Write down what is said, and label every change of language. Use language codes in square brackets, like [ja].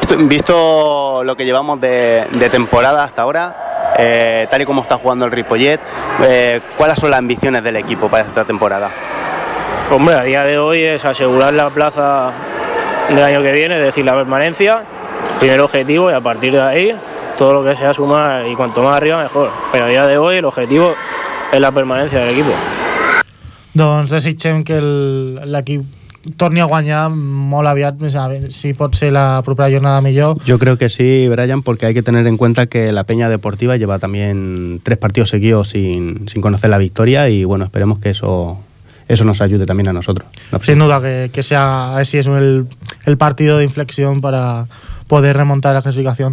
[es] Visto lo que llevamos de temporada hasta ahora, tal y como está jugando el Ripollet, ¿cuáles son las ambiciones del equipo para esta temporada? Hombre, a día de hoy es asegurar la plaza del año que viene, es decir, la permanencia, primer objetivo, y a partir de ahí, todo lo que sea sumar, y cuanto más arriba, mejor. Pero a día de hoy el objetivo es la permanencia del equipo. [ca] Doncs desitgem que l'equip torni a guanyar molt aviat, si pot ser la propera jornada millor. [es] Yo creo que sí, Brian, porque hay que tener en cuenta que la Peña Deportiva lleva también 3 partidos seguidos sin conocer la victoria, y bueno, esperemos que eso nos ayude también a nosotros. Sin duda que sea así, es el partido de inflexión para poder remontar la clasificación.